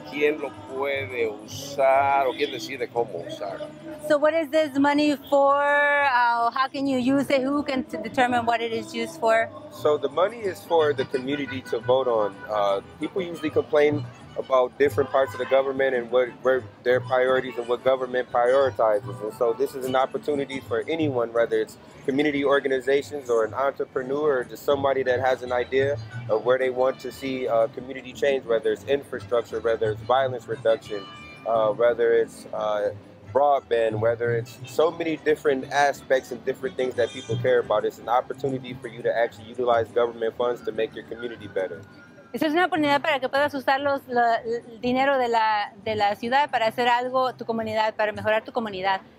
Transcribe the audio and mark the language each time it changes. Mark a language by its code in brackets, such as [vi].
[es] ¿Quién lo puede usar o quién decide cómo usar? [en] So what is this money for? How can you use it? Who can determine what it is used for? So the money is for the community to vote on. People usually complain about different parts of the government and where their priorities and what government prioritizes. And so this is an opportunity for anyone, whether it's community organizations or an entrepreneur or just somebody that has an idea of where they want to see community change, whether it's infrastructure, whether it's violence reduction, whether it's broadband, whether it's so many different aspects and different things that people care about. It's an opportunity for you to actually utilize government funds to make your community better. [es] Esa es una oportunidad para que puedas usar el dinero de la ciudad para hacer algo tu comunidad, para mejorar tu comunidad.